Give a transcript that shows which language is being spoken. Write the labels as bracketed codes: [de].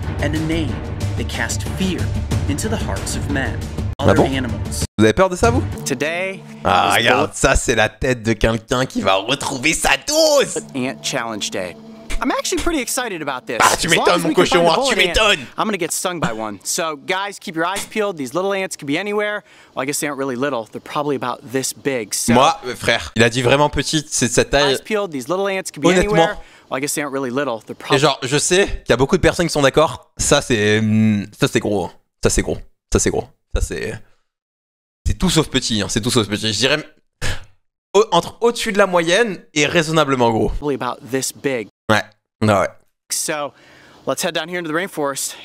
[en] And a name that cast fear into the hearts of men. [fr] Ah bon? Vous avez peur de ça, vous? [en] Today, [fr] ah, regarde, ça, c'est la tête de quelqu'un qui va retrouver sa dose! [en] Ant challenge day. I'm actually pretty excited about this. [fr] Ah, tu m'étonnes, mon cochon, tu m'étonnes! [en] I'm gonna get stung by one. So, guys, keep your eyes peeled. These little ants could be anywhere. Well, I guess they aren't really little. They're probably about this big. So... [fr] Moi, frère, il a dit vraiment petite, c'est de cette taille. [en] Eyes peeled. These little ants could be [fr] honnêtement. [en] Anywhere. I guess they aren't really little. They're [fr] et genre, je sais qu'il y a beaucoup de personnes qui sont d'accord. Ça, c'est gros. Ça, c'est gros. Ça, c'est gros. Ça, c'est... C'est tout sauf petit. Hein. C'est tout sauf petit. Je dirais entre au-dessus de la moyenne et raisonnablement gros. [en] Probably about this big. [fr] Ouais. Ah ouais. [en] So, let's head down here into the rainforest.